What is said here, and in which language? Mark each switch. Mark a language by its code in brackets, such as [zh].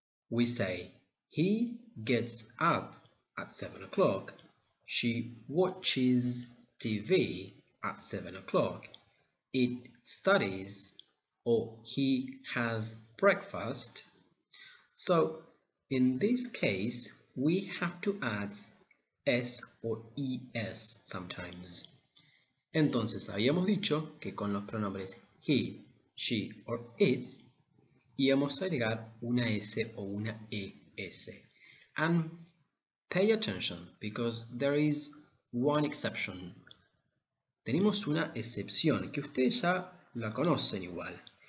[en] We say he gets up at 7 o'clock, she watches TV at 7 o'clock, it studies, or he has breakfast. So, in this case, we have to add S o ES sometimes. [es] Entonces, habíamos dicho que con los pronombres he, she or it, íbamos a agregar una S o una ES. [en] And pay attention, because there is one exception. [es] Tenemos una excepción, que ustedes ya la conocen igual.